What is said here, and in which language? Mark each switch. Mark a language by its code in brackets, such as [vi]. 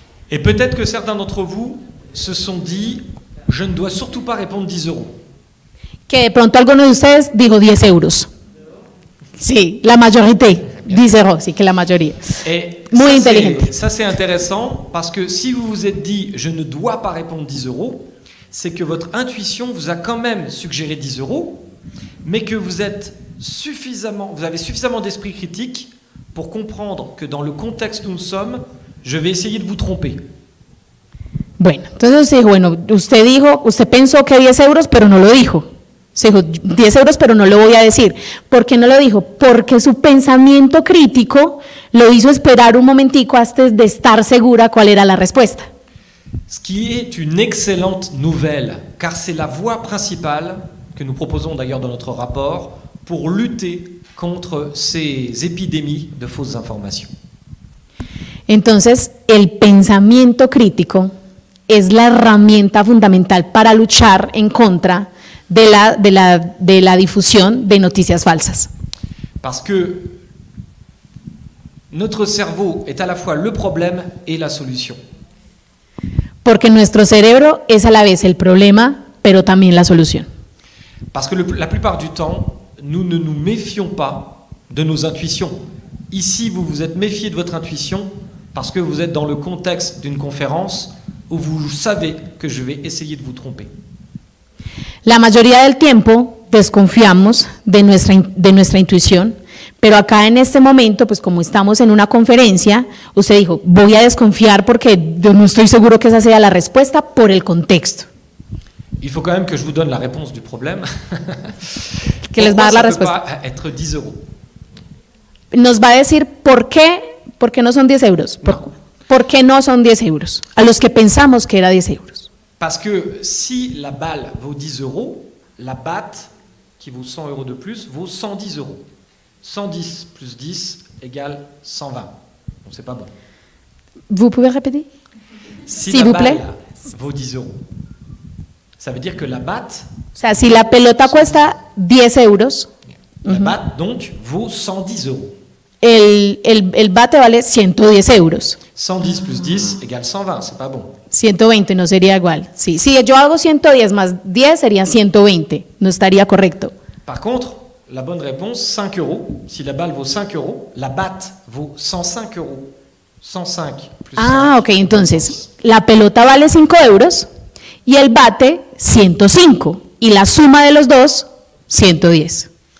[fr] Et peut-être que certains d'entre vous se sont dit, je ne dois surtout pas répondre 10 euros. [es] Que de pronto alguno de ustedes dijo 10 euros. Sí, la mayoría. 10 euros, sí, que la mayoría. Et muy inteligente. [fr] Ça, c'est intéressant, parce que si vous vous êtes dit, je ne dois pas répondre 10 euros, c'est que votre intuition vous a quand même suggéré 10 euros, mais que vous avez suffisamment d'esprit critique pour comprendre que dans le contexte où nous sommes, je vais essayer de vous tromper. [es] Bueno, entonces dijo, bueno, usted dijo, usted pensó que 10 euros, pero no lo dijo. Se dijo, 10 euros, pero no lo voy a decir. ¿Por qué no lo dijo? Porque su pensamiento crítico lo hizo esperar un momentico antes de estar segura cuál era la respuesta. [fr] Ce qui est une excellente nouvelle, car c'est la voie principale que nous proposons d'ailleurs dans notre rapport pour lutter contre ces épidémies de fausses informations. [es] Entonces, el pensamiento crítico es la herramienta fundamental para luchar en contra de la difusión de noticias falsas. [fr] Parce que notre cerveau est à la fois le problème et la solution. [es] Porque nuestro cerebro es a la vez el problema, pero también la solución. [fr] Parce que la plupart du temps, nous ne nous méfions pas de nos intuitions. Ici, vous vous êtes méfié de votre intuition parce que vous êtes dans le contexte d'une conférence où vous savez que je vais essayer de vous tromper. [es] La mayoría del tiempo desconfiamos de nuestra intuición, pero acá en este momento, pues como estamos en una conferencia, usted dijo, voy a desconfiar porque no estoy seguro que esa sea la respuesta por el contexto. [fr] Il faut quand même que je vous donne la réponse du problème. [es] Que les va a dar la respuesta. [fr] Pourquoi ça peut pas être 10 euros? [es] Nos va a decir por qué no son 10 euros. ¿Por qué no son 10 euros? A los que pensamos que era 10 euros. [fr] Parce que si la balle vaut 10 euros, la batte, qui vaut 100 euros de plus, vaut 110 euros. 110 plus 10 égale 120. Bon, c'est pas bon. Vous pouvez répéter? S'il vous plaît. Si la balle vaut 10 euros, ça veut dire que la batte... [es] O sea, si la pelota cuesta 10 euros... [fr] La batte, donc, vaut 110 euros. [es] El bate vale 110 euros. [fr] 110 plus 10 égale 120, c'est pas bon. [es] 120 no sería igual. Sí, si yo hago 110 más 10 sería 120, no estaría correcto. [fr] Par contre, la bonne réponse, 5 euros. Si la balle vaut 5 euros, la batte vaut 105 euros. 105 plus 5. [es] Ah, ok, entonces, la pelota vale 5 euros y el bate 105. Y la suma de los dos, 110.